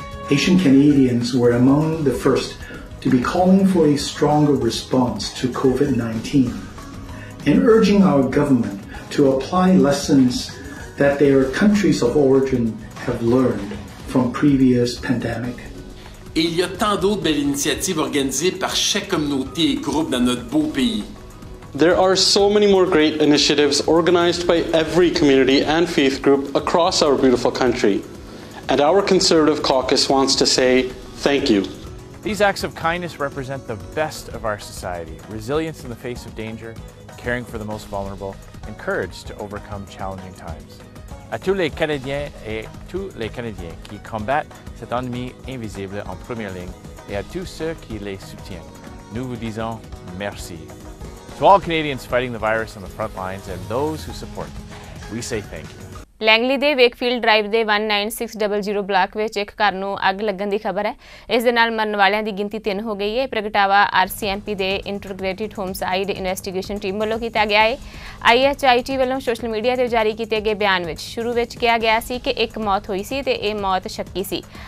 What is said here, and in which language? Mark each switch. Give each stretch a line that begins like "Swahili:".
English: Asian Canadians were among the first to be calling for a stronger response to COVID-19. And urging our government to apply lessons that their countries of origin have learned from previous pandemic.
French: Et il y a tant d'autres belles initiatives organisées par chaque communauté et groupe dans notre beau pays.
English: There are so many more great initiatives organized by every community and faith group across our beautiful country. And our Conservative caucus wants to say thank you. These acts of kindness represent the best of our society, resilience in the face of danger, caring for the most vulnerable, and courage to overcome challenging times.
French: À tous les Canadiens et tous les Canadiens qui combattent cet ennemi invisible en première ligne, et à tous ceux qui les soutiennent, nous vous disons merci.
English: To all Canadians fighting the virus on the front lines and those who support them, we say thank you.
Punjabi: Langley ਦੇ ਵੇਕਫੀਲਡ drive ਦੇ 19600 block ਵਿੱਚ ਇੱਕ ਘਰ ਨੂੰ ਅੱਗ ਲੱਗਣ ਦੀ ਖਬਰ ਹੈ। ਇਸ ਦੇ ਨਾਲ ਮਰਨ ਵਾਲਿਆਂ ਦੀ ਗਿਣਤੀ 3 ਹੋ ਗਈ ਹੈ। ਪ੍ਰਗਟਾਵਾ RCMP ਦੇ ਇੰਟਰਗ੍ਰੇਟਿਡ ਹੋਮ ਸਾਈਡ ਇਨਵੈਸਟੀਗੇਸ਼ਨ ਟੀਮ ਵੱਲੋਂ ਕੀਤਾ ਗਿਆ ਹੈ। IHIT ਵੱਲੋਂ ਸੋਸ਼ਲ ਮੀਡੀਆ 'ਤੇ ਜਾਰੀ ਕੀਤੇ ਗਏ ਬਿਆਨ ਵਿੱਚ ਸ਼ੁਰੂ ਵਿੱਚ ਕਿਹਾ ਗਿਆ ਸੀ ਕਿ ਇੱਕ ਮੌਤ ਹੋਈ ਸੀ ਅਤੇ ਇਹ ਮੌਤ ਸ਼ੱਕੀ ਸੀ।